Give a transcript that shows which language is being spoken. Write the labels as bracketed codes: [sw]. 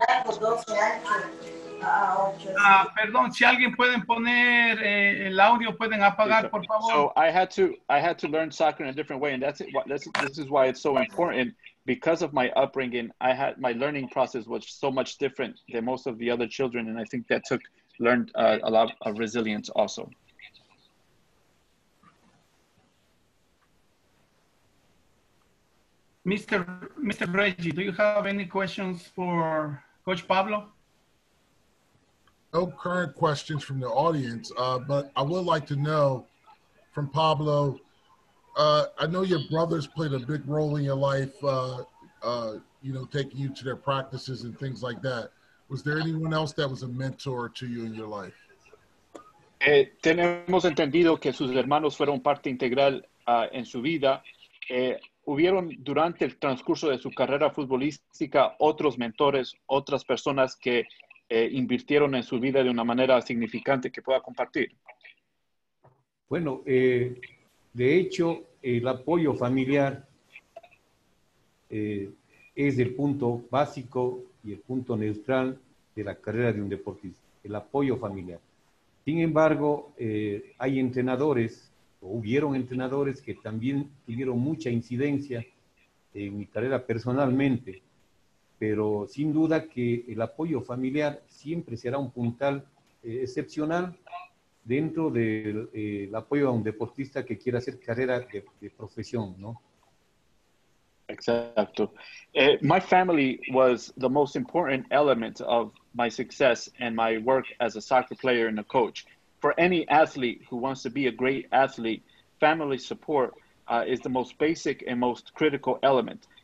[es] Perdón, si alguien puede poner el audio, pueden apagar, por favor. [en] So I had to learn soccer in a different way, and that's it. This is why it's so important. Because of my upbringing, I had my learning process was so much different than most of the other children, and I think that took learned a lot of resilience also. Mr. Reggie, do you have any questions for Coach Pablo? No current questions from the audience, but I would like to know from Pablo, I know your brothers played a big role in your life, you know, taking you to their practices and things like that. Was there anyone else that was a mentor to you in your life? [es] Tenemos entendido que sus hermanos fueron parte integral en su vida. ¿Hubieron durante el transcurso de su carrera futbolística otros mentores, otras personas que invirtieron en su vida de una manera significante que pueda compartir? Bueno, de hecho, el apoyo familiar es el punto básico y el punto neutral de la carrera de un deportista, el apoyo familiar. Sin embargo, hay entrenadores o hubieron entrenadores que también tuvieron mucha incidencia en mi carrera personalmente, pero sin duda que el apoyo familiar siempre será un puntal excepcional dentro del el apoyo a un deportista que quiera hacer carrera de profesión, ¿no? Exacto. [en] My family was the most important element of my success and my work as a soccer player and a coach. For any athlete who wants to be a great athlete, family support is the most basic and most critical element.